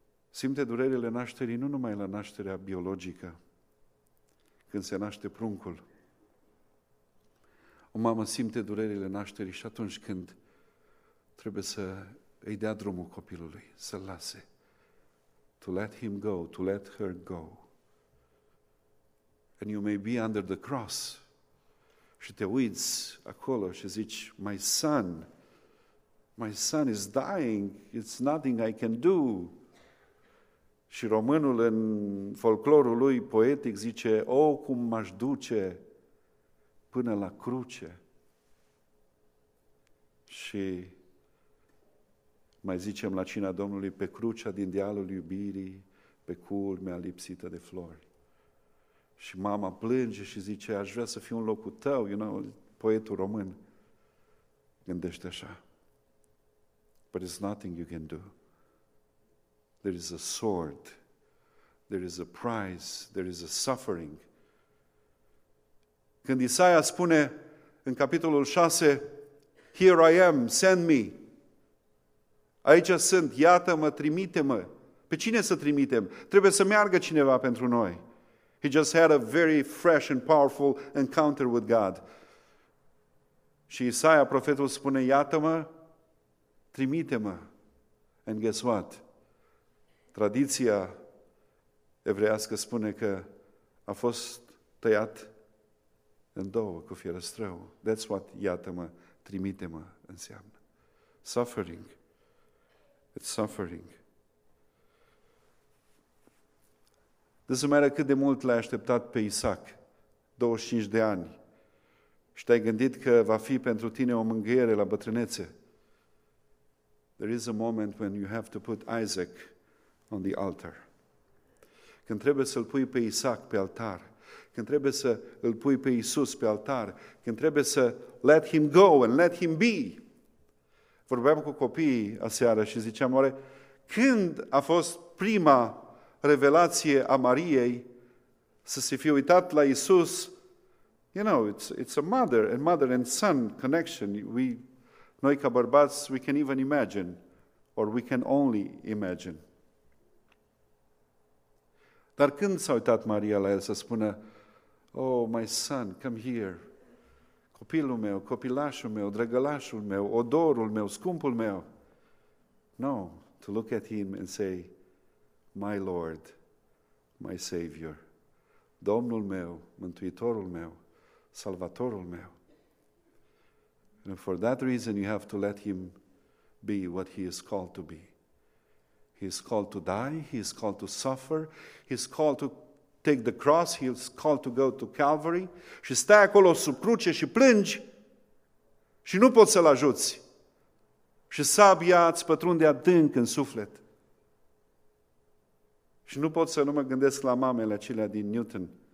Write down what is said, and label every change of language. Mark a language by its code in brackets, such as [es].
[ro] Simte durerile nașterii nu numai la nașterea biologică, când se naște pruncul. O mamă simte durerile nașterii și atunci când trebuie să îi dea drumul copilului, să-l lase. [en] To let him go, to let her go. And you may be under the cross [ro] și te uiți acolo și zici, [en] my son is dying, it's nothing I can do. [ro] Și românul în folclorul lui poetic zice, oh, cum m-aș duce până la cruce. Și mai zicem la cina Domnului, pe crucea din dealul iubirii, pe culmea lipsită de flori. Și mama plânge și zice, aș vrea să fiu în locul tău, [en] you know, [ro] poetul român gândește așa. [en] But it's nothing you can do. There is a sword, there is a price, there is a suffering. [ro] Când Isaia spune în capitolul 6, [en] Here I am, send me. [ro] Aici sunt, iată-mă, trimite-mă. Pe cine să trimitem? Trebuie să meargă cineva pentru noi. [en] He just had a very fresh and powerful encounter with God. [ro] Și Isaia, profetul, spune, iată-mă, trimite-mă. [en] And guess what? [ro] Tradiția evreiască spune că a fost tăiat în două cu fierăstrău. [en] That's what, [ro] iată-mă, trimite-mă, înseamnă. [en] Suffering. It's suffering. Doesn't matter [ro] cât de mult l-ai așteptat pe Isaac, 25 de ani, și te-ai gândit că va fi pentru tine o mângâiere la bătrânețe. [en] There is a moment when you have to put Isaac on the altar. [ro] Când trebuie să-l pui pe Isaac pe altar, când trebuie să îl pui pe Iisus pe altar, când trebuie să [en] let him go and let him be. [ro] Vorbeam cu copiii aseară și ziceam, oare când a fost prima revelație a Mariei să se fie uitat la Iisus? [en] You know, it's a mother and mother and son connection. [ro] Noi ca bărbați, [en] we can even imagine, or we can only imagine. [ro] Dar când s-a uitat Maria la el să spună, [en] oh, my son, come here, [ro] copilul meu, copilașul meu, drăgălașul meu, odorul meu, scumpul meu. [en] No, to look at him and say, my Lord, my Savior, [ro] Domnul meu, Mântuitorul meu, Salvatorul meu. [en] And for that reason you have to let him be what he is called to be. He is called to die, he is called to suffer, he is called to take the cross, he is called to go to Calvary. [ro] Și stai acolo sub cruce și plângi și nu poți să-l ajuți. Și sabia îți pătrunde adânc în suflet. Și nu pot să nu mă gândesc la mamele acelea din Newton.